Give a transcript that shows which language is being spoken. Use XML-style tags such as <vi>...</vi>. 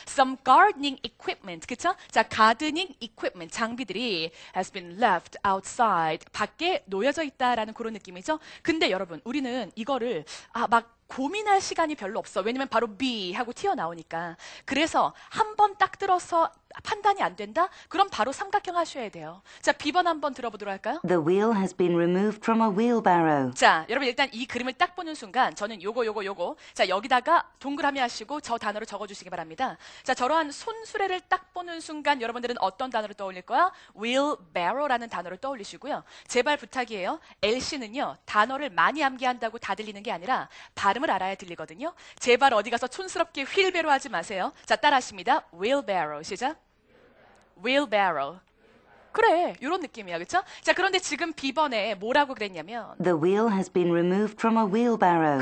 <en>Some gardening equipment,</en> <ko>그쵸? 자, gardening equipment, 장비들이</ko> <en>has been left outside,</en> <ko>밖에 놓여져 있다라는 그런 느낌이죠? 근데 여러분, 우리는 이거를 막 고민할 시간이 별로 없어. 왜냐면 바로 be 하고 튀어나오니까. 그래서 한번 딱 들어서 판단이 안 된다? 그럼 바로 삼각형 하셔야 돼요. 자, 비번 한번 들어보도록 할까요?</ko> <en>The wheel has been removed from a wheelbarrow.</en> <ko>자, 여러분 일단 이 그림을 딱 보는 순간 저는 요거 요거 요거 자, 여기다가 동그라미 하시고 저 단어로 적어주시기 바랍니다. 자, 저러한 손수레를 딱 보는 순간 여러분들은 어떤 단어를 떠올릴 거야? wheelbarrow라는 단어를 떠올리시고요. 제발 부탁이에요. LC는요, 단어를 많이 암기한다고 다 들리는 게 아니라 발음을 알아야 들리거든요. 제발 어디 가서 촌스럽게 휠베로 하지 마세요. 자, 따라하십니다. wheelbarrow. 시작. wheelbarrow. 그래, 이런 느낌이야, 그렇죠? 자, 그런데 지금 B번에 뭐라고 그랬냐면</ko> <en>The wheel has been removed from a wheelbarrow.</en>